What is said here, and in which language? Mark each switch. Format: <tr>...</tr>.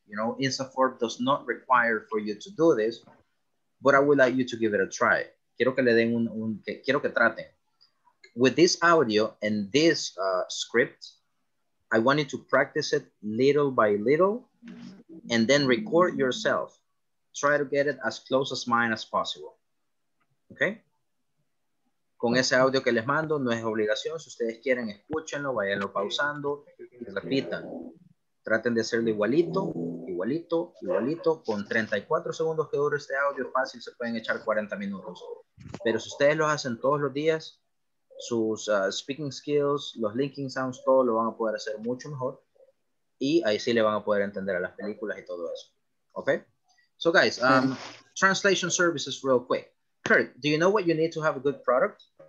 <en>You know, INSAFORP does not require for you to do this. But I would like you to give it a try.</en> <es>Quiero que le den quiero que traten.</es> <en>With this audio and this script, I want you to practice it little by little and then record yourself. Try to get it as close as mine as possible. Okay?</en> <es>Con ese audio que les mando, no es obligación. Si ustedes quieren, escúchenlo, váyanlo pausando y repitan. Traten de hacerlo igualito, igualito, igualito. Con 34 segundos que dure este audio, fácil, se pueden echar 40 minutos. Pero si ustedes lo hacen todos los días, sus</es> <en>speaking skills,</en> <es>los</es> <en>linking sounds,</en> <es>todo lo van a poder hacer mucho mejor. Y ahí sí le van a poder entender a las películas y todo eso.</es> <en>¿Ok? So, guys, translation services real quick. Kurt, do you know what you need to have a good product?</en>